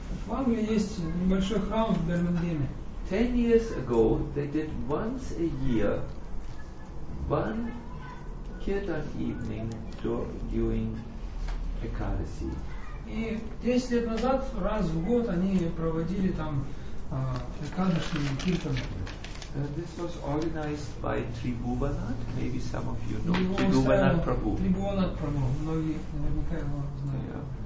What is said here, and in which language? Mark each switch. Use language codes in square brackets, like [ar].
[ru] В Англии есть небольшой храм в Бермингеме. [en] 10 years ago they did once a year one kirtan evening during Ekadasi. [ru] И 10 лет назад раз в год они проводили там Экадашный киртан. [en] This was organized by Tribhuvanath. Maybe some of you know Tribhuvanath Prabhu. Tribhuvanath Prabhu. [ru] Многие наверняка его знают.